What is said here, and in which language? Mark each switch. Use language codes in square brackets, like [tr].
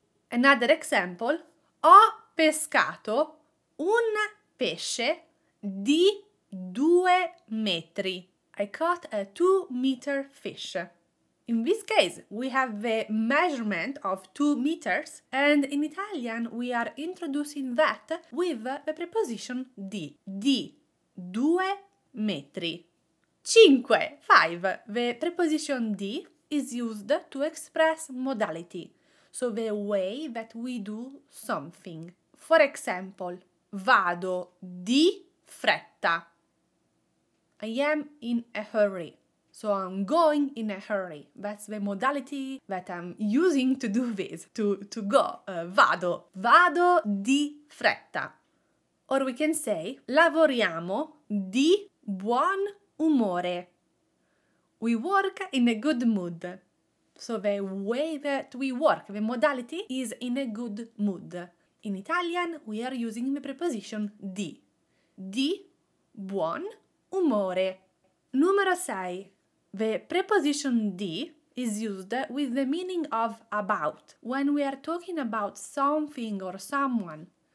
[en] Another example, [it] ho pescato un pesce di 2 metri. [en] I caught a 2-meter fish. In this case, we have the measurement of 2 meters, and in Italian we are introducing that with the preposition [it] di 2 metri. [en] 5. The preposition di is used to express modality, so the way that we do something. For example, [it] vado di fretta. [en] I am in a hurry. So I'm going in a hurry. That's the modality that I'm using to do this, to go. [it] Vado. Vado di fretta. [en] Or we can say, [it] lavoriamo di buon umore. [en] We work in a good mood. So the way that we work, the modality is in a good mood. In Italian, we are using the preposition di. [it] Di buon umore. Numero 6. [en] The preposition di is used with the meaning of about when we are talking about something or someone.